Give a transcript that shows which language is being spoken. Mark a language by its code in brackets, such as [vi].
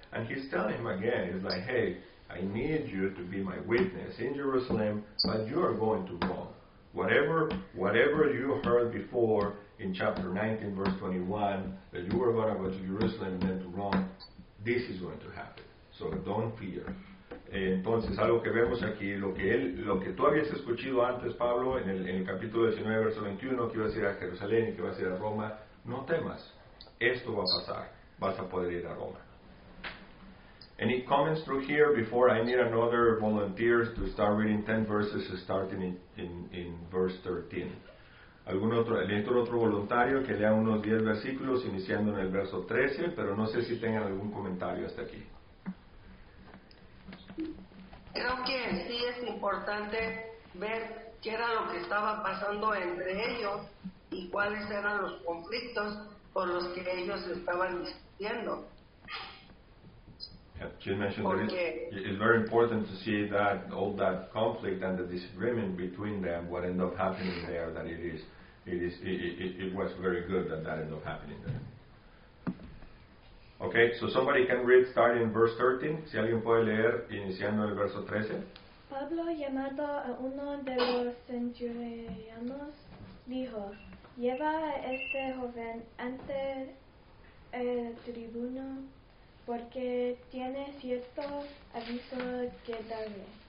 [en] And he's telling him again, he's like, hey, I need you to be my witness in Jerusalem, but you are going to Rome. Whatever you heard before in chapter 19, verse 21, that you were going to go to Jerusalem and then to Rome, this is going to happen, so don't fear. [es] Entonces, algo que vemos aquí, lo que tú habías escuchado antes, Pablo, en el capítulo 19, verso 21, que ibas a ir a Jerusalén y que ibas a ir a Roma, no temas, esto va a pasar, vas a poder ir a Roma. [en] Any comments through here before I need another volunteer to start reading 10 verses starting in verse 13? [es] ¿Algún otro? ¿Necesito otro voluntario que lea unos 10 versículos iniciando en el verso 13? Pero no sé si tengan algún comentario hasta aquí. Creo que sí es importante ver qué era lo que estaba pasando entre ellos y cuáles eran los conflictos por los que ellos estaban discutiendo. [en] She mentioned that it's very important to see that all that conflict and the disagreement between them, what ended up happening there, that it was very good that ended up happening there. Okay. Okay, so somebody can read starting in verse 13. [es] Si alguien puede leer iniciando el verso 13. Pablo, llamado a uno de los centurionos, dijo, lleva a este joven ante el tribuno porque tiene cierto aviso que darle.